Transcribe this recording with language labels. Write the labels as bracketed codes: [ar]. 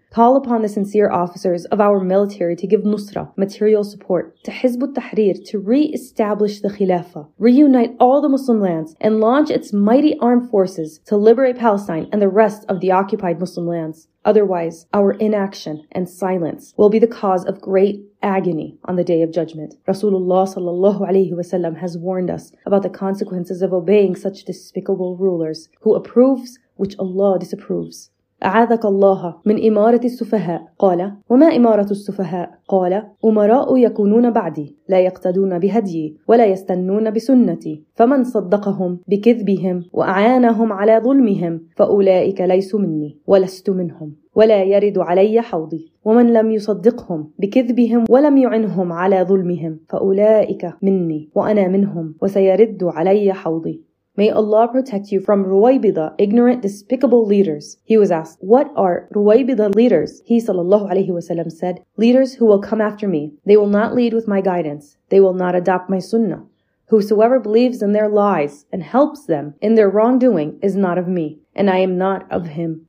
[en] Call upon the sincere officers of our military to give nusra, material support, to Hizb al-Tahrir to re-establish the Khilafa, reunite all the Muslim lands, and launch its mighty armed forces to liberate Palestine and the rest of the occupied Muslim lands. Otherwise, our inaction and silence will be the cause of great agony on the Day of Judgment. Rasulullah sallallahu alayhi wa sallam has warned us about the consequences of obeying such despicable rulers who approves which Allah disapproves. [ar] أعاذك الله من إمارة السفهاء قال وما إمارة السفهاء قال أمراء يكونون بعدي لا يقتدون بهدي ولا يستنون بسنتي فمن صدقهم بكذبهم وأعانهم على ظلمهم فأولئك ليسوا مني ولست منهم ولا يرد علي حوضي ومن لم يصدقهم بكذبهم ولم يعنهم على ظلمهم فأولئك مني وأنا منهم وسيرد علي حوضي. [en] May Allah protect you from Ruwaybida, ignorant, despicable leaders. He was asked, what are Ruwaybida leaders? He sallallahu alayhi wa sallam said, leaders who will come after me. They will not lead with my guidance. They will not adopt my sunnah. Whosoever believes in their lies and helps them in their wrongdoing is not of me, and I am not of him.